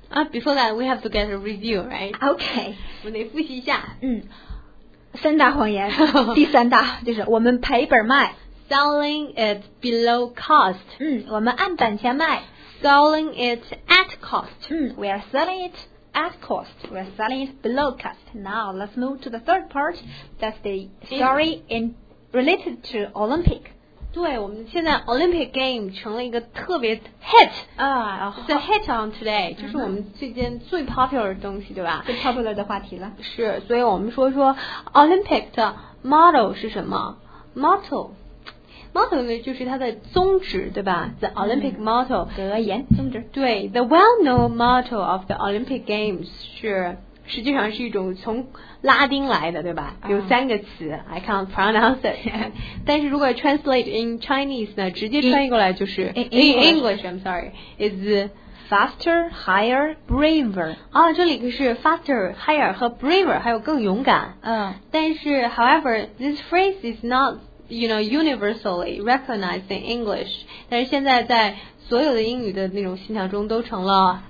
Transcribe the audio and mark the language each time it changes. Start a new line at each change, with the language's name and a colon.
English: Before that, we have to get a review, right? Okay.
Chinese: 我得复习一下。三大谎言，第三大就是我们赔本卖。
English: Selling it below cost.
Chinese: 我们按本钱卖。
English: Selling it at cost. We are selling it at cost. We are selling it below cost. Now, let's move to the third part. That's the story related to Olympic.
Chinese: 对，我们现在 Olympic Game 成了一个特别 hit，
English: it's a hit on today，
Chinese: 就是我们最近最 popular 的东西，对吧？最 popular 的话题了。是，所以我们说 Olympic 的 motto 是什么？ motto 呢就是它的宗旨，对吧？
English: The Olympic motto，
Chinese: 格言宗旨。
English: 对， the well known motto of the Olympic Games 是
Chinese: 实际上是一种从拉丁来的，对吧？有三个词、
English: I can't pronounce it.
Chinese: 但是如果
English: translate in Chinese
Chinese: 呢，直接翻译过来就是
English: in English, I'm sorry, is faster, higher, braver.
Chinese: 啊，这里可是
English: faster, higher
Chinese: 和 braver, 还有更勇敢。嗯。
English: 但是 however, this phrase is not, you know, universally recognized in English.
Chinese: 但是现在在所有的英语的那种信条中都成了